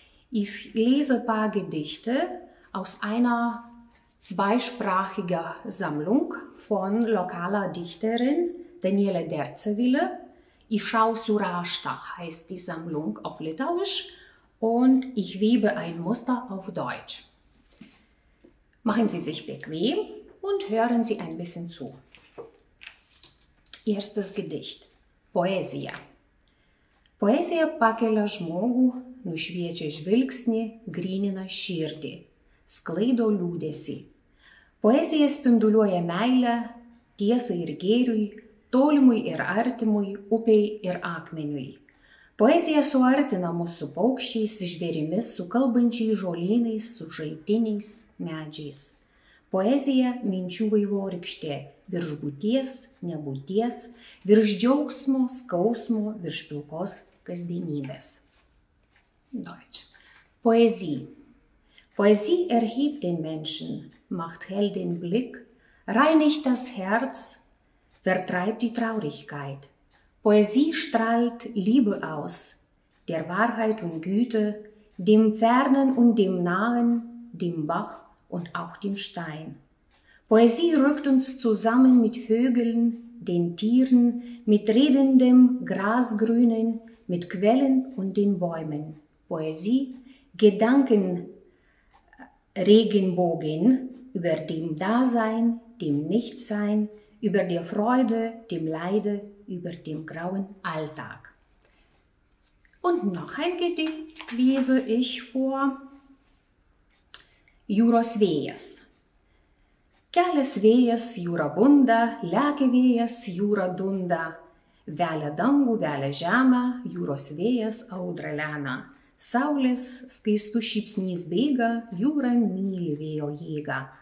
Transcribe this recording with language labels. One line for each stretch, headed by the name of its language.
German: Ich lese ein paar Gedichte aus einer zweisprachiger Sammlung von lokaler Dichterin Daniele Derzewille. Išau surašta heißt die Sammlung auf Litauisch und ich webe ein Muster auf Deutsch. Machen Sie sich bequem und hören Sie ein bisschen zu. Erstes Gedicht. Poesija.
Lithuanian: Poesija pakelia žmogų, nušviečia žvilgsnį, grynina širdį, sklaido liūdesį. Poezija spinduliuoja meilę, tiesai ir gėriui, tolimui ir artimui, upei ir akmeniui. Poezija suartina mus su paukščiais, žvėrimis, su kalbančiais žolynais, su žaltiniais medžiais. Poezija minčių vaivorykštė, virš būties, nebūties, virš džiaugsmo, skausmo, virš pilkos kasdienybės.
German: Deutsch. Poezija. Poesie erhebt den Menschen, macht hell den Blick, reinigt das Herz, vertreibt die Traurigkeit. Poesie strahlt Liebe aus, der Wahrheit und Güte, dem Fernen und dem Nahen, dem Bach und auch dem Stein. Poesie rückt uns zusammen mit Vögeln, den Tieren, mit redendem Grasgrünen, mit Quellen und den Bäumen. Poesie, Gedanken, Regenbogen über dem Dasein, dem Nichtsein, über die Freude, dem Leide, über dem grauen Alltag. Und noch ein Gedicht lese ich vor.
Lithuanian: Jūros vėjas. Kelias vėjas, jūra bunda, lekia vėjas, jūra dunda. Velia dangų, velia žemę, jūros vėjas audra lemia. Saulės skaistų šypsnys bėga, jūra myli vėjo jėgą.